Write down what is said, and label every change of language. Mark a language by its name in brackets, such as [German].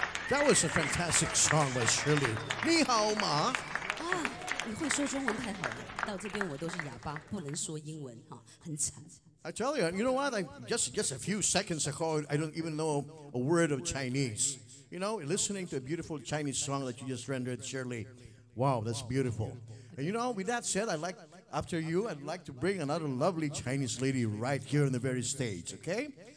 [English] That was a fantastic song by Shirley. [Chinese] 你好吗？啊，你会说中文太好了。到这边我都是哑巴，不能说英文哈，很惨。 [English] I tell you, you know what? I just a few seconds ago, I don't even know a word of Chinese. You know, listening to a beautiful Chinese song that you just rendered, Shirley. Wow, that's beautiful. And you know, with that said, I'd like, after you, I'd like to bring another lovely Chinese lady right here on the very stage, okay?